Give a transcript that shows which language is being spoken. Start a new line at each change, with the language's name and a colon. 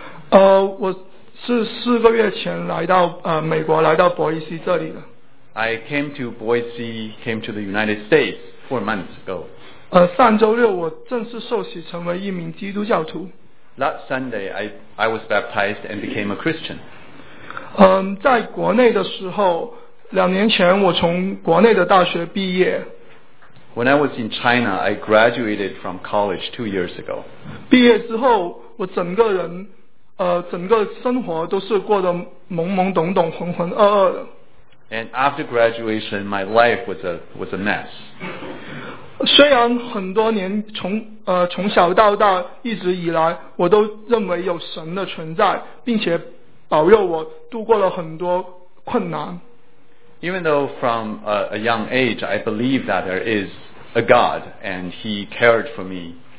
Chinese: 我是四个月前来到美国，来到伯伊西这里的。
English: I came to Boise, came to the United States 4 months ago.
Chinese: 上周六我正式受洗成为一名基督教徒。
English: Last Sunday, I was baptized and became a Christian.
Chinese: 在国内的时候，两年前我从国内的大学毕业。
English: When I was in China, I graduated from college 2 years ago.
Chinese: 毕业之后，我整个人，整个生活都是过得懵懵懂懂、浑浑噩噩的。
English: And after graduation, my life was a mess.
Chinese: 虽然很多年从小到大一直以来，我都认为有神的存在，并且保佑我度过了很多困难。
English: Even though from a young age, I believe that there is a God and He cared for me.